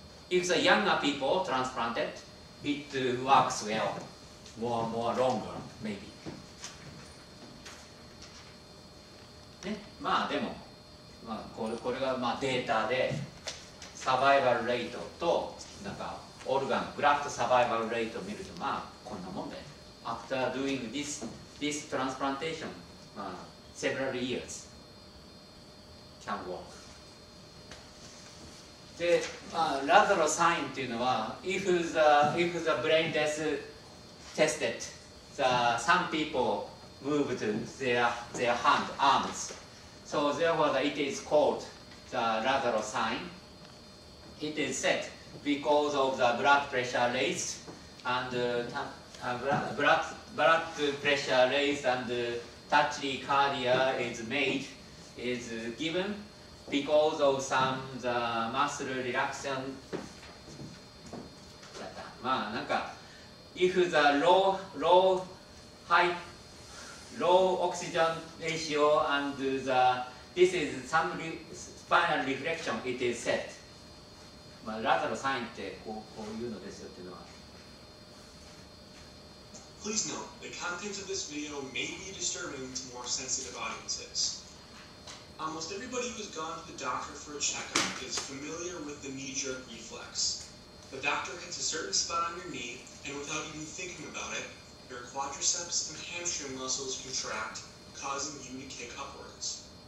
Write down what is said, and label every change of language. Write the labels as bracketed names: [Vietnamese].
[English] If the younger people transplanted, it works well, more longer, maybe. [Japanese] ね、まあでも、まあ、これがまあデータで、サバイバルレートと、なんか、オルガン、グラフトサバイバルレートを見ると、まあこんなもんで。 [English] After doing this transplantation, [Japanese] まあ、 [English] several years can work. [Japanese] で、まあ、ラザロサインっていうのは、 [English] if the brain death tested, some people moved their hand, arms. So therefore, it is called the Lazarus sign. It is said because of the blood pressure raised and blood pressure raised and tachycardia is given because of some the muscle relaxation. [Japanese] まあなんか [English] if the low oxygen ratio and the this is some spinal reflection, it is set. [Japanese] まあ、ラザロサインってこういうのですよっていうのは。 [English] Please note, the content of this video may be disturbing to more sensitive audiences. Almost everybody who has gone to the doctor for a checkup is familiar with the knee-jerk reflex. The doctor hits a certain spot on your knee, and without even thinking about it, your quadriceps and hamstring muscles contract, causing you to kick upwards.